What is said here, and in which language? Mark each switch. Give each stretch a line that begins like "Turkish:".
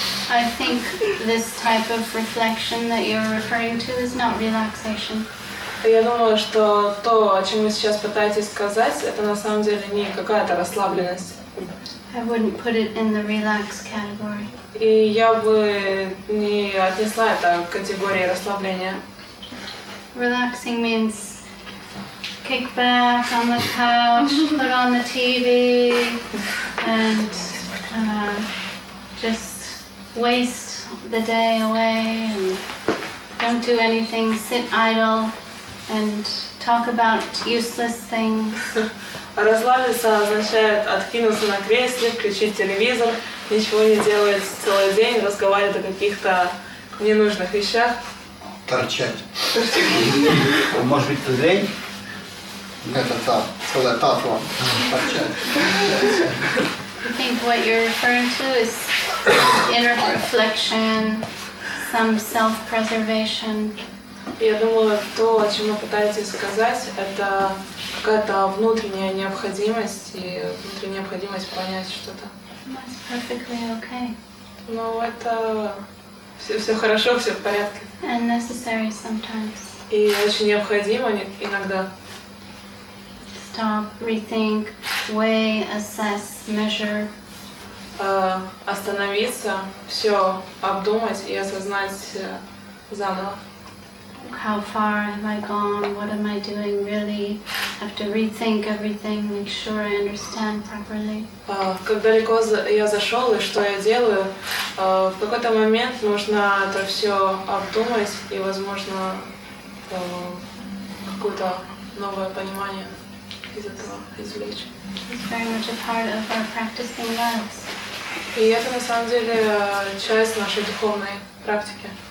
English: I think this type of reflection that you're referring to is not relaxation.
Russian: Я думаю, что то, о чем вы сейчас пытаетесь сказать, это на самом деле не какая-то расслабленность.
English: I wouldn't put it in the relaxed category.
Russian: И я бы не отнесла это к категории расслабления.
English: Relaxing means kick back on the couch, put on the TV, and just waste the day away and don't do anything, sit idle. And talk about useless things.
Russian: Расслабиться означает откинуться на кресле, включить телевизор, ничего не делать целый день, разговаривать о каких-то ненужных вещах. Торчать. Может быть, лень? Нет, это целая татва. Торчать.
English: I think what you're referring to is inner reflection, some self-preservation.
Russian: Я думала, то, о чем вы пытаетесь сказать, это какая-то внутренняя необходимость и внутренняя необходимость понять что-то.
English: That's perfectly okay.
Russian: Ну, это все хорошо, все в порядке.
English: And necessary sometimes.
Russian: И очень необходимо иногда.
English: Stop, rethink, weigh, assess, measure.
Russian: Остановиться, все обдумать и осознать заново.
English: How far am I gone? What am I doing really? I have to rethink everything, make sure I understand properly.
Russian: Как далеко я зашел и что я делаю? В какой-то момент нужно это все обдумать и, возможно, какое-то новое понимание из этого извлечь.
English: It's very much a part of our practicing lives.
Russian: И это на самом деле часть нашей духовной практики.